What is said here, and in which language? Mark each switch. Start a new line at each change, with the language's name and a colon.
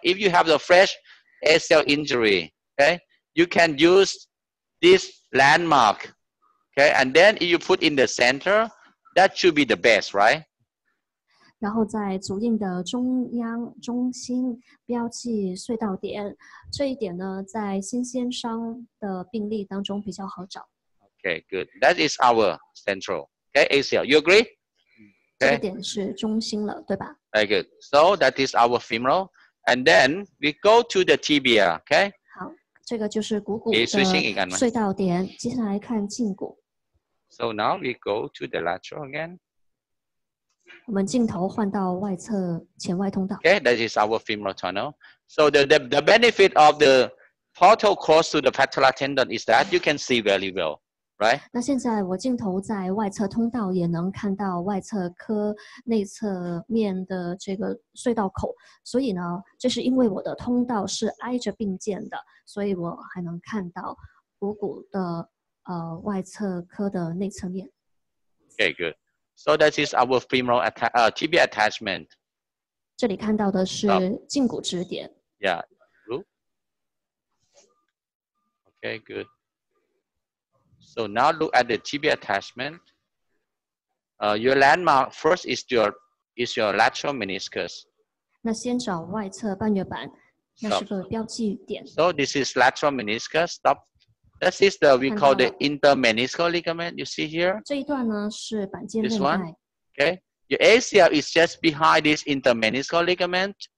English: If you have the fresh ACL injury, okay, you can use this landmark. Okay, and then if you put in the center, that should be the best, right?
Chinese: 然后在足印的中央中心标记隧道点，这一点呢在新鲜伤的病例当中比较好找。
English: Okay, good. That is our central. Okay, ACL. You agree?
Chinese: Okay. 这点是中心了，对吧？
English: Very good. So that is our femoral. And then we go to the tibia, okay?
Chinese: 好，这个就是股骨的隧道点，接下来看胫骨。
English: So now we go to the lateral again.
Chinese: 我们镜头换到外侧前外通道。
English: Okay, that is our femoral tunnel. So the benefit of the portal close to the patellar tendon is that you can see very well, right?
Chinese: 那现在我镜头在外侧通道也能看到外侧髁内侧面的这个隧道口，所以呢，这是因为我的通道是挨着并建的，所以我还能看到股骨的外侧髁的内侧面。
English: Okay, good. So that is our femoral tibia attachment.
Chinese: 这里看到的是胫骨指点。
English: Yeah. Okay, good. So now look at the tibia attachment. Your landmark first is your lateral meniscus.
Chinese: 那先找外侧半月板，那是个标记点。
English: So this is lateral meniscus. Stop. This is we call the intermeniscal ligament, you see here.
Chinese: 这一段呢是板腱韧带。
English: This one, okay. Your ACL is just behind this intermeniscal ligament.